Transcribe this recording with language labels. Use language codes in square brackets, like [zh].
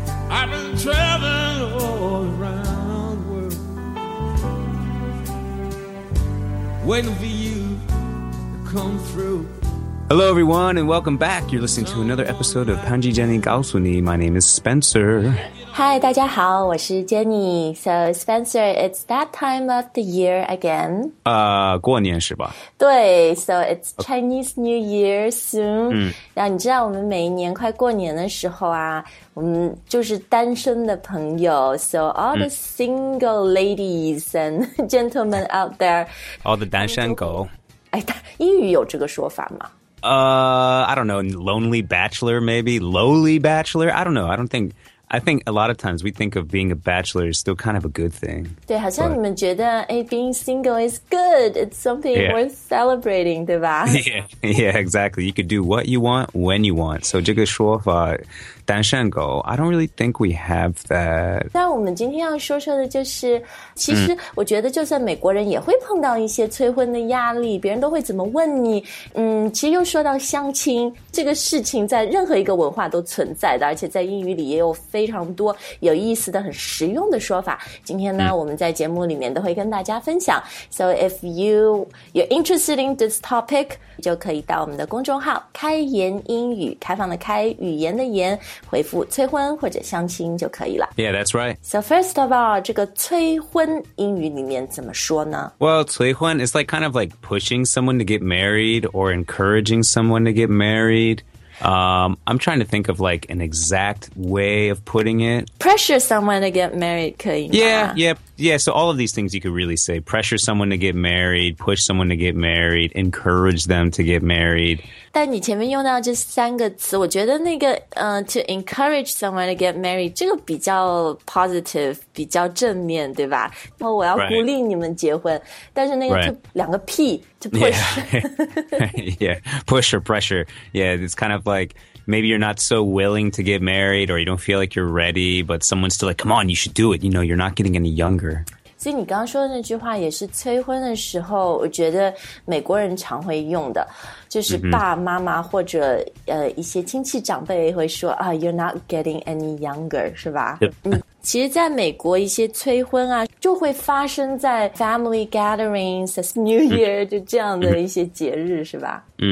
[en] I've been traveling all around the world, waiting for you to come through. Hello, everyone, and welcome back. You're listening to another episode of 潘吉 Jenny 告诉你. My name is Spencer. Hi, [zh] 大家好，我是 Jenny. [en] So, Spencer, it's that time of the year again. [zh] 过年是吧？ [en] 对 ，So it's Chinese New Year soon. [zh] 那你知道我们每一年快过年的时候啊，我们就是单身的朋友 ， [en] So all the single ladies and gentlemen out there, all the 单身狗。 [zh] 哎，英语有这个说法吗？ [en] I don't know, lonely bachelor, maybe lowly bachelor. I don't know. I think a lot of times we think of being a bachelor is still kind of a good thing. [zh] 对，好像你们觉得，哎， [en] being single is good. It's something worth celebrating, [zh] 对吧？ [en] Yeah, exactly. You could do what you want when you want. So [zh] 这个说法，单身狗， [en] I don't really think we have that. [zh] 但我们今天要说说的就是，其实我觉得就算美国人也会碰到一些催婚的压力，别人都会怎么问你。嗯，其实又说到相亲这个事情，在任何一个文化都存在的，而且在英语里也有非常多有意思的、很实用的说法。今天呢，我们在节目里面都会跟大家分享。 [en] So if you're interested in this topic, [zh] 就可以到我们的公众号"开言英语"，开放的开，语言的言。回复催婚或者相亲就可以了。 [en] Yeah, that's right. So first of all, [zh] 这个催婚英语里面怎么说呢？ [en] Well, 催婚 is like kind of like pushing someone to get married or encouraging someone to get married. I'm trying to think of like an exact way of putting it. Pressure someone to get married [zh] 可以吗？ [en] Yeah. So all of these things you could really say. Pressure someone to get married, push someone to get married, encourage them to get married. [zh] 但你前面用到这三个词，我觉得那个 [en] to encourage someone to get married [zh] 这个比较 positive， 比较正面，对吧？然后我要鼓励你们结婚， [en] right. [zh] 但是那个就两个 P to push， [en] push or pressure， yeah， it's kind of like maybe you're not so willing to get married or you don't feel like you're ready， but someone's still like， come on， you should do it， you know， you're not getting any younger。 [zh] 所以你刚刚说的那句话也是催婚的时候我觉得美国人常会用的就是爸妈妈或者一些亲戚长辈会说啊、 [en] you're not getting any younger, [zh] 是吧、其实在美国一些催婚啊就会发生在 family gatherings, New Year, 就这样的一些节日是吧、